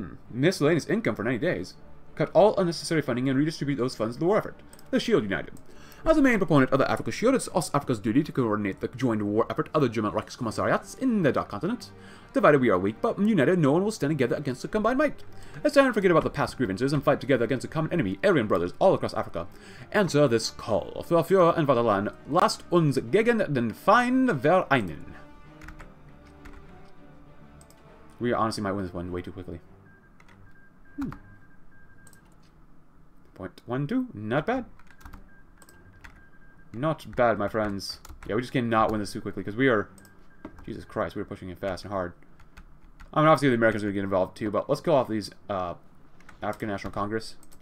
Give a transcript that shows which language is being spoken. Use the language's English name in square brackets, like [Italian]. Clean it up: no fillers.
[English] Miscellaneous income for 90 days. Cut all unnecessary funding and redistribute those funds to the war effort. The Shield United. As a main proponent of the Africa Shield, it's Ostafrika's duty to coordinate the joint war effort of the German Reichskommissariats in the Dark Continent. Divided we are weak, but united no one will stand together against the combined might. It's time to forget about the past grievances and fight together against a common enemy, Aryan brothers all across Africa. Answer this call. [German] Für Führer und Vaterland, lasst uns gegen den Feind vereinen. [English] We honestly might win this one way too quickly. 0.12, not bad. Not bad, my friends. Yeah, we just cannot win this too quickly, because we are... Jesus Christ, we are pushing it fast and hard. I mean, obviously the Americans are going to get involved too, but let's kill off these African National Congress.